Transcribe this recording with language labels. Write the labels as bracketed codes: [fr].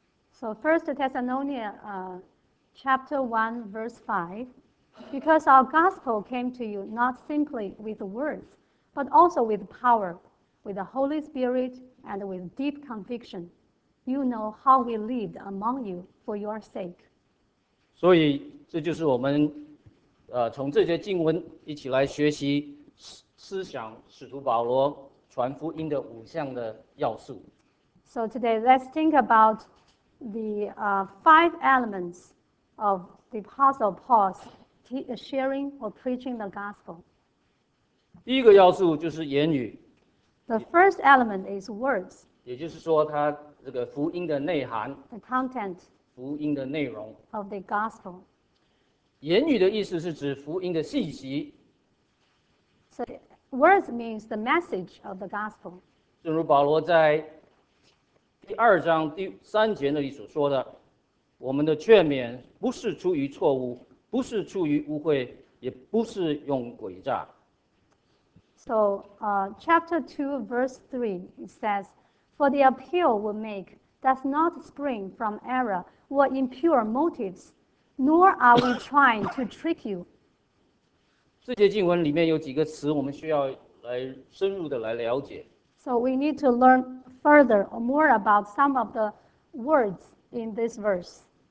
[en] So 1 Thessalonians chapter 1, verse 5, because our gospel came to you not simply with words, but also with power, with the Holy Spirit, and with deep conviction. You know how we lived among you for your sake. [zh] 所以这就是我们从这些经文一起来学习思想使徒保罗传福音的五项的要素。 [en] So today, let's think about the five elements of the Apostle Paul's sharing or preaching the gospel. [zh] 第一个要素就是言语。 [en] The first element is words. [zh] 也就是说，它这个福音的内涵。 [en] The content. [zh] 福音的内容。 [en] Of the gospel. [zh] 言语的意思是指福音的信息。 [en] So words means the message of the gospel. [zh] 正如保罗在 第二章第三节那里所说的，我们的劝勉不是出于错误，不是出于污秽，也不是用诡诈。 [en] So chapter 2, verse 3, it says, For the appeal we make does not spring from error or impure motives, nor are we trying to trick you. [zh] 这节经文里面有几个词我们需要来深入的来了解。 [en] So we need to learn further or more about some of the words in this verse.